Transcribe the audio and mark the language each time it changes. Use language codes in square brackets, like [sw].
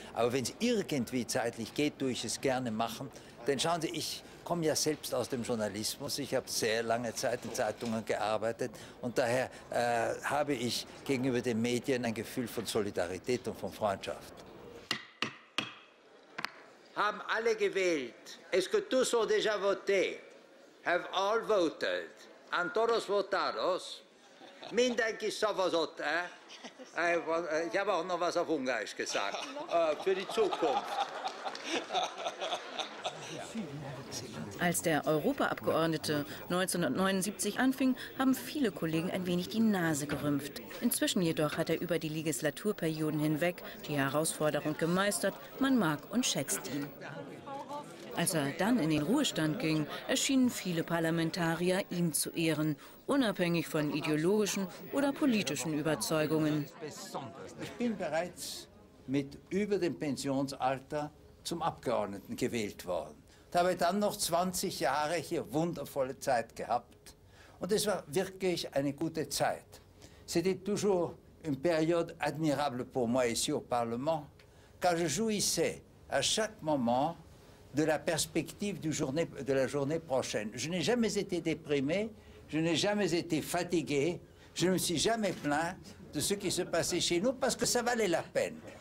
[de] Aber wenn es irgendwie zeitlich geht, tue ich es gerne machen. Denn schauen Sie, ich komme ja selbst aus dem Journalismus. Ich habe sehr lange Zeit in Zeitungen gearbeitet. Und daher habe ich gegenüber den Medien ein Gefühl von Solidarität und von Freundschaft. Haben alle gewählt? [fr] Est-ce que tous ont déjà voté? [en] Have all voted? [es] Han todos votados? [hu] Mindenki szavazott, eh? [de] Ich habe auch noch was auf Ungarisch gesagt. Für die Zukunft. Als der Europaabgeordnete 1979 anfing, haben viele Kollegen ein wenig die Nase gerümpft. Inzwischen jedoch hat er über die Legislaturperioden hinweg die Herausforderung gemeistert, man mag und schätzt ihn. Als er dann in den Ruhestand ging, erschienen viele Parlamentarier ihm zu Ehren, unabhängig von ideologischen oder politischen Überzeugungen. Ich bin bereits mit über dem Pensionsalter zum Abgeordneten gewählt worden. Da habe ich dann noch 20 Jahre hier wundervolle Zeit gehabt. Und es war wirklich eine gute Zeit. [fr] C'était toujours une période admirable pour moi ici au Parlement, car je jouissais à chaque moment de la perspective de la journée prochaine. Je n'ai jamais été déprimé, je n'ai jamais été fatigué, je ne me suis jamais plaint de ce qui se passait chez nous, parce que ça valait la peine.